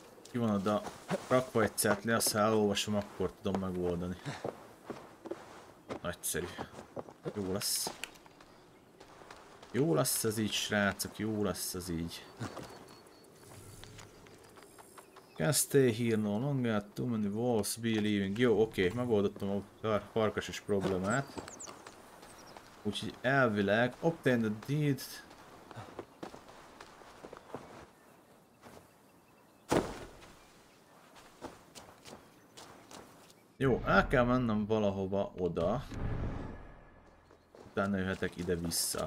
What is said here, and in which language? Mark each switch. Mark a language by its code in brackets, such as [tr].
[hu] Ki van oda? Rakva egy cetli, azt ha elolvasom, akkor tudom megoldani. Nagyszerű. Jó lesz. Jó lesz ez így, srácok, jó lesz ez így. [en] Can't stay here no longer, too many walls be leaving. [hu] Jó, oké, megoldottam a farkasos problémát. Úgyhogy elvileg, [en] obtain the deed. [hu] Jó, el kell mennem valahova oda. Utána jöhetek ide-vissza.